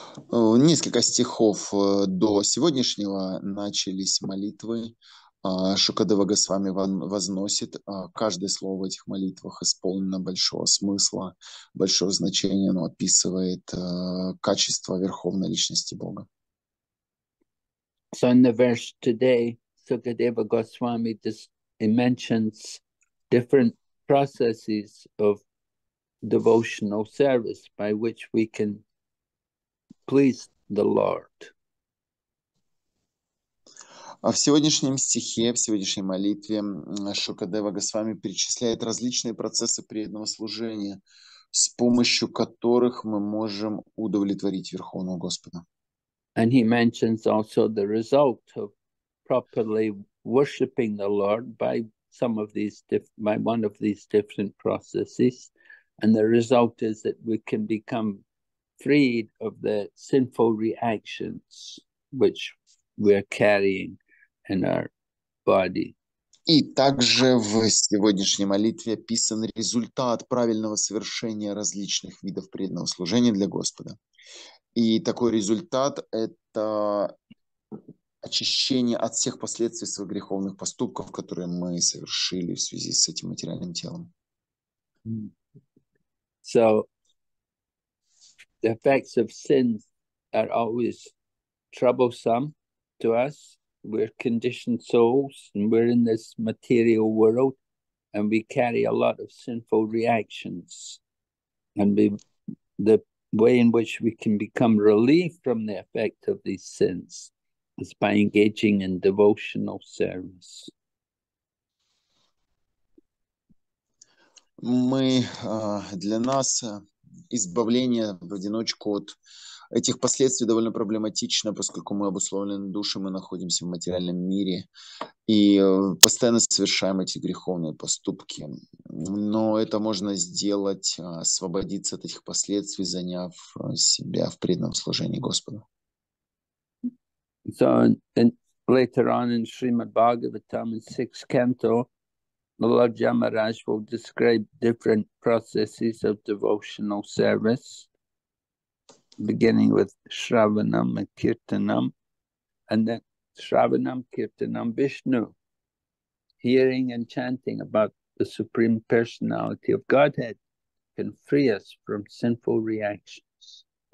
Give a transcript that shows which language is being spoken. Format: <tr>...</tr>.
<ru>Несколько стихов до сегодняшнего начались молитвы. Шукадева Госвами возносит. Каждое слово в этих молитвах исполнено большого смысла, большого значения. Оно описывает качество Верховной Личности Бога.</ru> <en>So in the verse today, Sukadeva Goswami mentions different processes of devotional service by which we can please the Lord.</en> <ru>А в сегодняшнем стихе, в сегодняшней молитве Шукадева Госвами перечисляет различные процессы преданного служения, с помощью которых мы можем удовлетворить Верховного Господа.</ru> <en>And he mentions also the result of properly worshipping the Lord by some of these by one of these different processes, and the result is that we can become freed of the sinful reactions which we're carrying in our body.</en> <ru>И также в сегодняшней молитве описан результат правильного совершения различных видов преданного служения для Господа. И такой результат – это очищение от всех последствий своих греховных поступков, которые мы совершили в связи с этим материальным телом.</ru> <en>So, the effects of sin are always troublesome to us. We're conditioned souls, and we're in this material world, and we carry a lot of sinful reactions. And the way in which we can become relieved from the effect of these sins is by engaging in devotional service.</en> <ru>Мы, для нас избавление в одиночку от этих последствий довольно проблематично, поскольку мы обусловлены душой, мы находимся в материальном мире и постоянно совершаем эти греховные поступки. Но это можно сделать, освободиться от этих последствий, заняв себя в преданном служении Господу.</ru> <en>So, later on in Srimad Bhagavatam, in 6th canto, the Lord Yamaraj will describe different processes of devotional service, beginning with Shravanam and Kirtanam, and then Shravanam, Kirtanam, Vishnu, hearing and chanting about the Supreme Personality of Godhead can free us from sinful reactions.</en>